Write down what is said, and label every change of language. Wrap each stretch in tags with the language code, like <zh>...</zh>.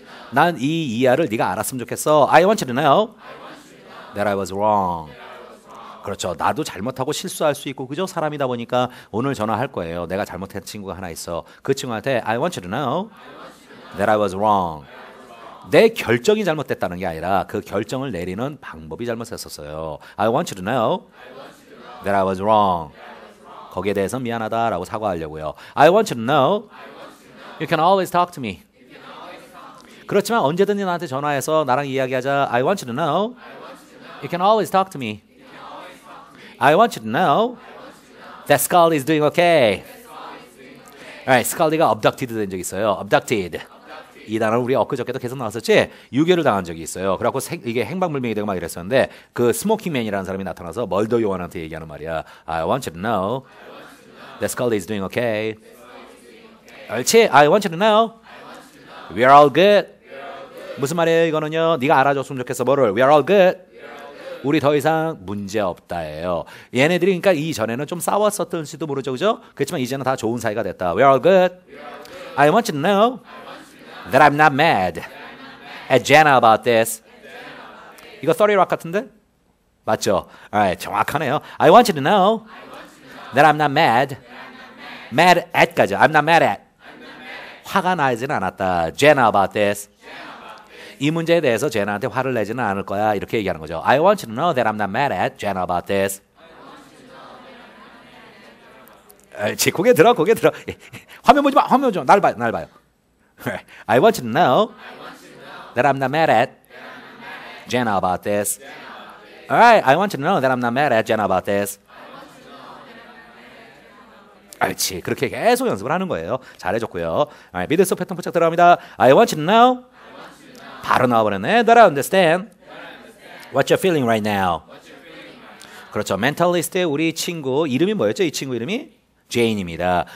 <ko>난 이 이하를 네가 알았으면 좋겠어.</ko> <en>I want you to know. That I was wrong.</en> <ko>그렇죠. 나도 잘못하고 실수할 수 있고 그저 사람이다 보니까 오늘 전화할 거예요. 내가 잘못한 친구가 하나 있어. 그 친구한테</ko> <en>I want you to know that I was wrong.</en> <ko>내 결정이 잘못됐다는 게 아니라 그 결정을 내리는 방법이 잘못했었어요.</ko> <en>I want you to know that I was wrong.</en> <ko>거기에 대해서 미안하다라고 사과하려고요.</ko> <en>I want you to know you can always talk to me.</en> <ko>그렇지만 언제든지 나한테 전화해서 나랑 이야기하자.</ko> <en>I want you to know You can always talk to me. I want you to know that Scully is doing okay.</en> <ko>Alright, Scully가 abducted 된 적 있어요. Abducted. 이 단어는 우리 엊그저께도 계속 나왔었지? 유괴를 당한 적이 있어요. 그래갖고 이게 행방불명이 되고 막 이랬었는데 그 스모킹맨이라는 사람이 나타나서 멀더 요한한테 얘기하는 말이야.</ko> <en>I want you to know that Scully is doing okay.</en> <ko>옳지?</ko> <en>I want you to know we are all good.</en> <ko>무슨 말이에요 이거는요? 네가 알아줬으면 좋겠어 뭐를.</ko> <en>We are all good.</en> <ko>우리 더 이상 문제 없다예요. 얘네들이 그러니까 이전에는 좀 싸웠었던지도 모르죠. 그죠? 그렇지만 이제는 다 좋은 사이가 됐다.</ko> <en>We are all good. I want you to know that I'm not mad at Jenna about this.</en> <ko>이거 30 Rock 같은데? 맞죠? Alright, 정확하네요.</ko> <en>I want you to know that I'm not mad. Mad at까지. I'm not mad at.</en> <ko>화가 나지는 않았다.</ko> <en>Jenna about this.</en> <ko>이 문제에 대해서 제나한테 화를 내지는 않을 거야. 이렇게 얘기하는 거죠.</ko> <en>I want you to know that I'm not mad at Jenna about this.</en> <ko>옳지. 고개 들어. 고개 들어. 화면 보지 마. 화면 좀. 날 봐. 날 봐요.</ko> <en>I want you to know that I'm not mad at Jenna about this. All right, I want to know that I'm not mad at Jenna about this.</en> <ko>알지. 그렇게 계속 연습을 하는 거예요. 잘해줬고요. 아, 미드스 패턴 포착 들어갑니다.</ko> <en>I want you to know.</en> <ko>바로 나와버렸네.</ko> <en>That I understand. What you're feeling right now.</en> <ko>그렇죠. 멘탈리스트의 우리 친구 이름이 뭐였죠? 이 친구 이름이? 제인입니다.</ko>